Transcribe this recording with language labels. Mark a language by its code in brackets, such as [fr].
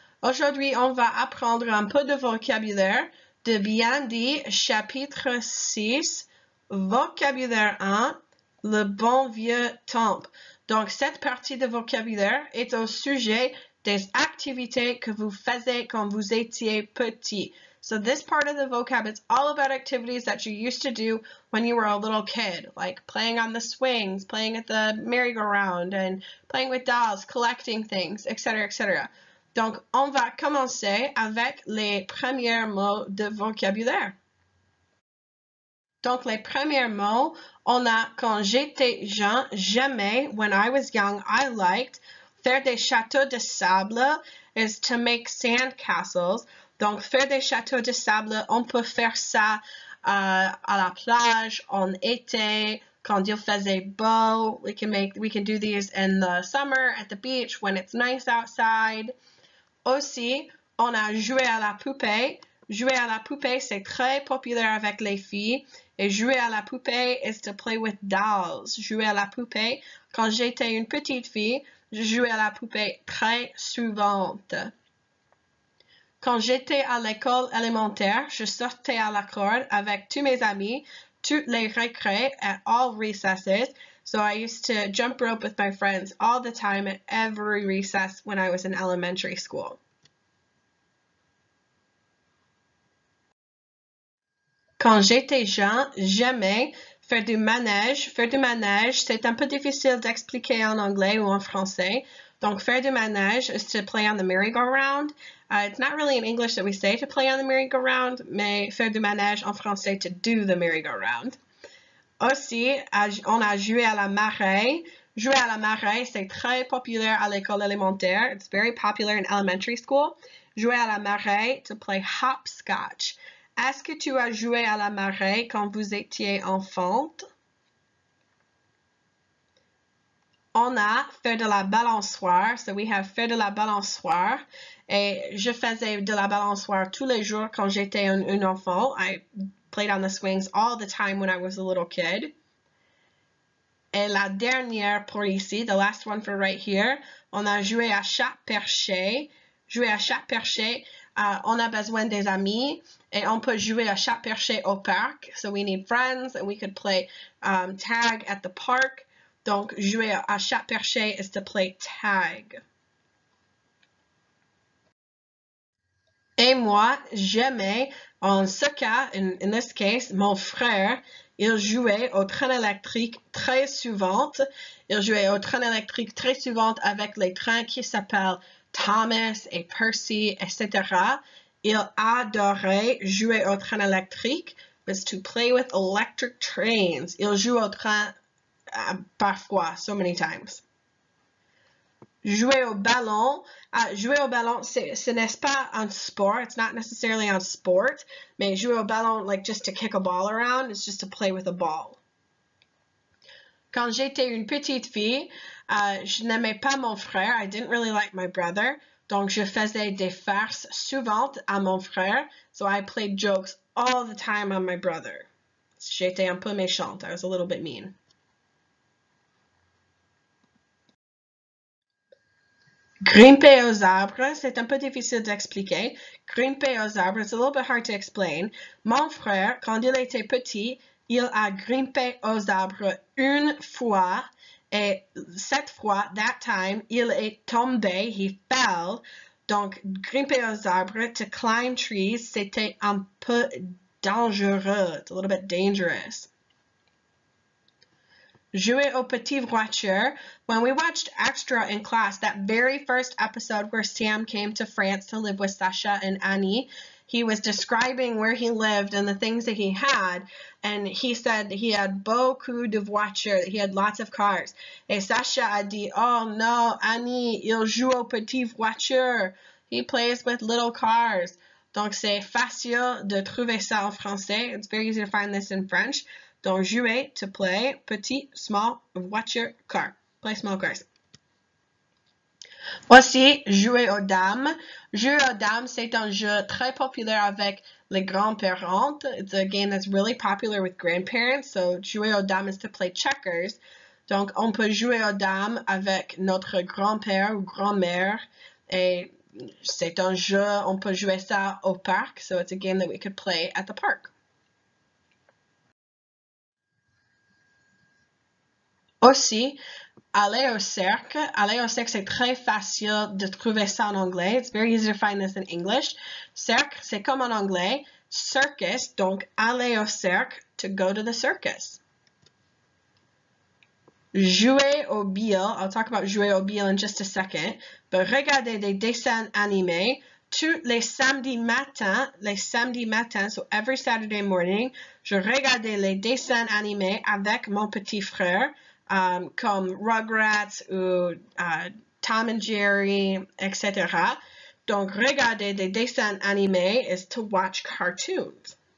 [fr] Aujourd'hui, on va apprendre un peu de vocabulaire de bien dit chapitre 6, vocabulaire 1, le bon vieux temps. Donc, cette partie de vocabulaire est au sujet des activités que vous faisiez quand vous étiez petit. [en] So this part of the vocab is all about activities that you used to do when you were a little kid, like playing on the swings, playing at the merry-go-round, and playing with dolls, collecting things, etc., etc. [fr] Donc, on va commencer avec les premiers mots de vocabulaire. Donc, les premiers mots, on a quand j'étais jeune, jamais, [en] when I was young, I liked [fr] faire des châteaux de sable [en] is to make sand castles. [fr] Donc, faire des châteaux de sable, on peut faire ça à la plage, en été, quand il faisait beau. [en] We can do these in the summer, at the beach, when it's nice outside. [fr] Aussi, on a joué à la poupée. Jouer à la poupée, c'est très populaire avec les filles. Et jouer à la poupée [en] is to play with dolls. [fr] Jouer à la poupée, quand j'étais une petite fille, je jouais à la poupée très souvent. Quand j'étais à l'école élémentaire, je sortais à la corde avec tous mes amis, toutes les récrés, [en] at all recesses. So I used to jump rope with my friends all the time at every recess when I was in elementary school. [fr] Quand j'étais jeune, j'aimais faire du manège. Faire du manège, c'est un peu difficile d'expliquer en anglais ou en français. Donc, faire du manège [en] is to play on the merry-go-round. It's not really in English that we say to play on the merry-go-round, [fr] mais faire du manège en français, [en] to do the merry-go-round. [fr] Aussi, on a joué à la marée. Jouer à la marée, c'est très populaire à l'école élémentaire. [en] It's very popular in elementary school. [fr] Jouer à la marée, [en] to play hopscotch. [fr] Est-ce que tu as joué à la marée quand vous étiez enfant? On a fait de la balançoire, [en] so we have [fr] fait de la balançoire, et je faisais de la balançoire tous les jours quand j'étais un enfant. [en] I played on the swings all the time when I was a little kid. [fr] Et la dernière pour ici, [en] the last one for right here, [fr] on a joué à chat perché. Jouer à chat perché, on a besoin des amis, et on peut jouer à chat perché au parc, [en] so we need friends, and we could play tag at the park. [fr] Donc, jouer à chat perché [en] is to play tag. [fr] Et moi, j'aimais, en ce cas, [en] in this case, [fr] mon frère, il jouait au train électrique très souvent. Il jouait au train électrique très souvent avec les trains qui s'appellent Thomas et Percy, etc. Il adorait jouer au train électrique, [en] was to play with electric trains. [fr] Il joue au train parfois, [en] so many times. [fr] Jouer au ballon. Jouer au ballon, ce n'est pas un sport. [en] It's not necessarily a sport. [fr] Mais jouer au ballon, [en] like just to kick a ball around, it's just to play with a ball. [fr] Quand j'étais une petite fille, je n'aimais pas mon frère. [en] I didn't really like my brother. [fr] Donc, je faisais des farces souvent à mon frère. [en] So, I played jokes all the time on my brother. [fr] J'étais un peu méchante. [en] I was a little bit mean. [fr] Grimper aux arbres, c'est un peu difficile d'expliquer. Grimper aux arbres, [en] it's a little bit hard to explain. [fr] Mon frère, quand il était petit, il a grimpé aux arbres une fois. Et cette fois, [en] that time, [fr] il est tombé, [en] he fell. [fr] Donc, grimper aux arbres, [en] to climb trees, [fr] c'était un peu dangereux. [en] It's a little bit dangerous. [fr] Jouer aux petites voitures. [en] When we watched Extra in class, that very first episode where Sam came to France to live with Sasha and Annie, he was describing where he lived and the things that he had, and he said he had [fr] beaucoup de voitures, [en] he had lots of cars. [fr] Et Sasha a dit, [en] oh no, [fr] Annie, il joue aux petites voitures. [en] He plays with little cars. [fr] Donc c'est facile de trouver ça en français. [en] It's very easy to find this in French. [fr] Donc, jouer, [en] to play, petit, small, voiture, car. Play small cars. [fr] Voici jouer aux dames. Jouer aux dames, c'est un jeu très populaire avec les grands-parents. [en] It's a game that's really popular with grandparents. So, [fr] jouer aux dames [en] is to play checkers. [fr] Donc, on peut jouer aux dames avec notre grand-père ou grand-mère. Et c'est un jeu, on peut jouer ça au parc. [en] So, it's a game that we could play at the park. [fr] Aussi, aller au cirque. Aller au cirque, c'est très facile de trouver ça en anglais. [en] It's very easy to find this in English. [fr] Cirque, c'est comme en anglais. [en] Circus, [fr] donc aller au cirque, [en] to go to the circus. [fr] Jouer au billes. [en] I'll talk about [fr] jouer au billes [en] in just a second. [fr] But regarder des dessins animés tous les samedis matins. Les samedis matins, [en] so every Saturday morning, [fr] je regardais les dessins animés avec mon petit frère. Comme Rugrats ou Tom and Jerry, etc. Donc, regarder des dessins animés is to watch cartoons.